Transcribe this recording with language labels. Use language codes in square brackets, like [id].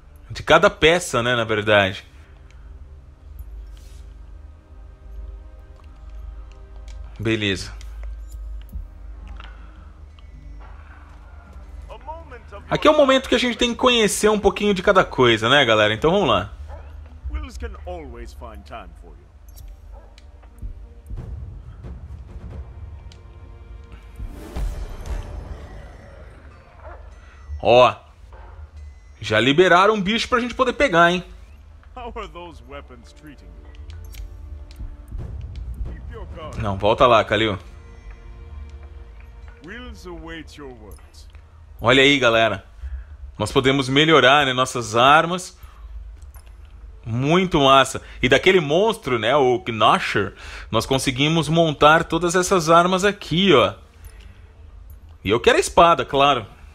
[pt] De cada peça, né, na verdade. Beleza. Aqui é o momento que a gente tem que conhecer um pouquinho de cada coisa, né, galera? Então vamos lá. [en] Wills can always find time for you. [pt] Ó. Já liberaram um bicho pra gente poder pegar, hein? [en] How are those weapons treating you? Keep your guard. [pt] Não, volta lá, Kalil. [en] Wills awaits your words. [pt] Olha aí, galera. Nós podemos melhorar, né, nossas armas. Muito massa. E daquele monstro, né, o Gnosher, nós conseguimos montar todas essas armas aqui, ó. E eu quero a espada, claro.